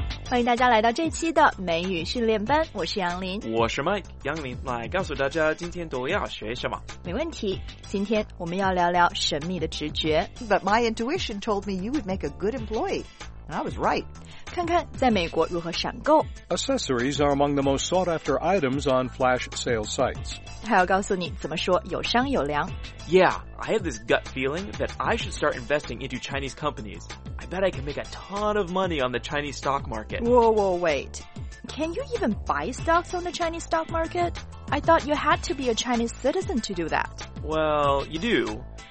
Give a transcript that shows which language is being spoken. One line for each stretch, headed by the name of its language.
Chinese: 欢迎大家来到这期的美语训练班，我是杨林。我是 Mike， 杨林来告诉大家今天都要学什么。没问题，今天我们要聊聊神秘的直觉。
English: But my intuition told me you would make a good employee, and I was right.
Chinese: 看看在美国如何闪购。
English: Accessories are among the most sought after items on flash sale sites.
Chinese: 还要告诉你怎么说有商有量。
English: Yeah, I have this gut feeling that I should start investing into Chinese companies. I bet I can make a ton of money on the Chinese stock market. Whoa, wait. Can you even buy stocks on the Chinese stock market? I thought you had to be a Chinese citizen to do that. Well, you do.